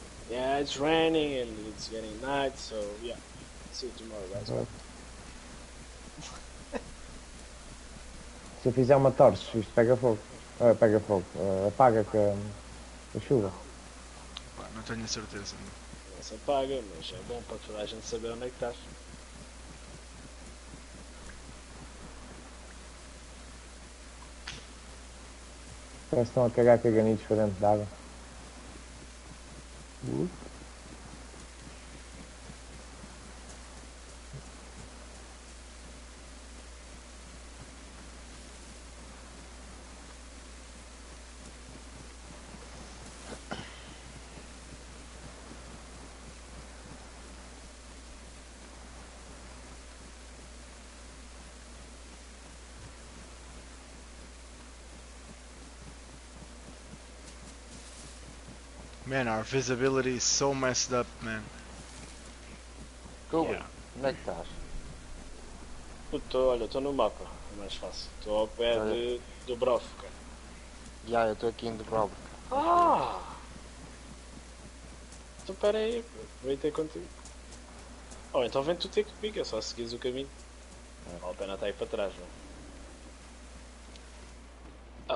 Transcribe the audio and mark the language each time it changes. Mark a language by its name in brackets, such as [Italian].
[English] Yeah, it's raining and it's getting night, so yeah. See you tomorrow, guys. [Portuguese] Se eu fizer uma torce, isto pega fogo. Pega fogo. Apaga com a chuva. Pá, não tenho a certeza. Não se apaga, mas é bom para toda a gente saber onde é que estás. Parece que estão a cagar caganitos para dentro de água. [English] Man, our visibility is so messed up, man. [Portuguese] Google, yeah. Onde é que estás? Puto, olha, estou no mapa, é mais fácil. Estou ao pé olha. De Dubrovka. Já, yeah, eu estou aqui em Dubrovka. Ah! Então espera aí, vem ter contigo. Oh, então vem tu ter comigo, é só seguires o caminho. Vale a pena estar aí para trás, não?